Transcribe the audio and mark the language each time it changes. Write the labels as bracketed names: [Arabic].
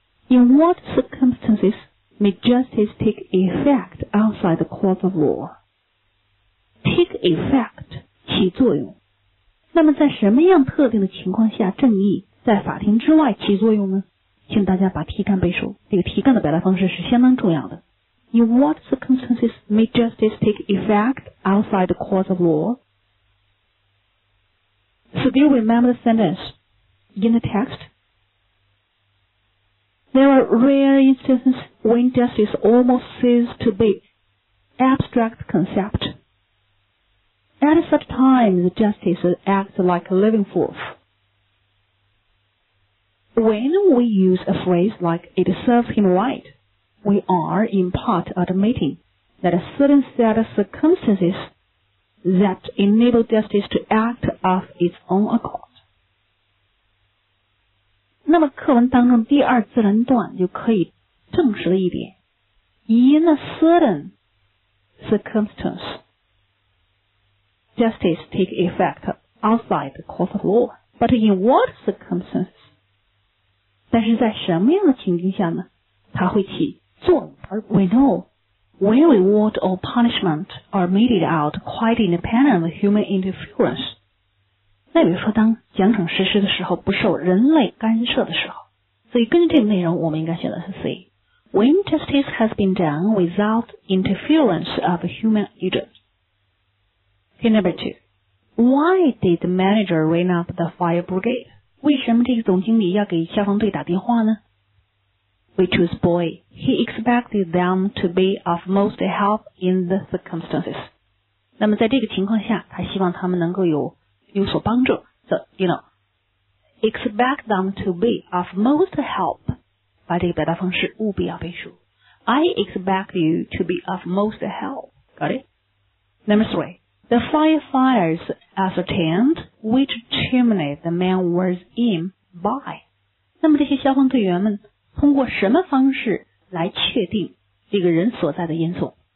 [English] In what circumstances may justice take effect outside the court of law? Take effect, [Chinese] 起作用。那么在什么样特定的情况下正义在法庭之外起作用呢？请大家把题干背熟，这个题干的表达方式是相当重要的。 [English] In what circumstances may justice take effect outside the court of law? Still remember the sentence in the text. There are rare instances when justice almost ceases to be abstract concept. At such times, justice acts like a living force. When we use a phrase like it serves him right,we are in part admitting that a certain set of circumstances that enable justice to act of its own accord. [Chinese] 那么课文当中第二自然段就可以证实了一点。 [English] In a certain circumstance, justice take effect outside the court of law. But in what circumstances? [Chinese] 但是在什么样的情境下呢它会起 [English] We know when reward or punishment are meted out quite independent of human interference. [Chinese] 那比如说当奖惩实施的时候不受人类干涉的时候。所以根据这个内容我们应该选择是 C. [English] When justice has been done without interference of human agent. Okay, number 2. Why did the manager ring up the fire brigade? [Chinese] 为什么这个总经理要给消防队打电话呢？ [English] We choose boy. He expected them to be of most help in the circumstances. [Chinese] 那么在这个情况下他希望他们能够有所帮助。 [English] So, you know, expect them to be of most help. [Chinese] 把这个表达方式务必要背熟。 [English] I expect you to be of most help. Got it? Number 3. The firefighters ascertained which chimney the man was in by. [Chinese] 那么这些消防队员们通过什么方式来确定这个人所在的烟囱？